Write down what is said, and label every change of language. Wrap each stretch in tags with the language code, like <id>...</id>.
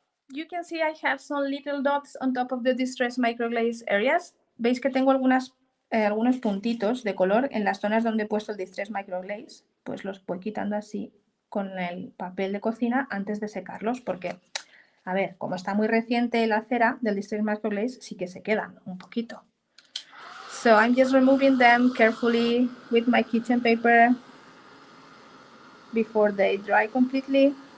<en>You can see I have some little dots on top of the distressed microglaze areas.</en> <es>Veis que tengo algunos puntitos de color en las zonas donde he puesto el distressed microglaze. Pues los voy quitando así con el papel de cocina antes de secarlos, porque a ver, como está muy reciente la cera del Distress Microglaze, sí que se quedan un poquito.</es> <en>So I'm just removing them carefully with my kitchen paper before they dry completely.</en>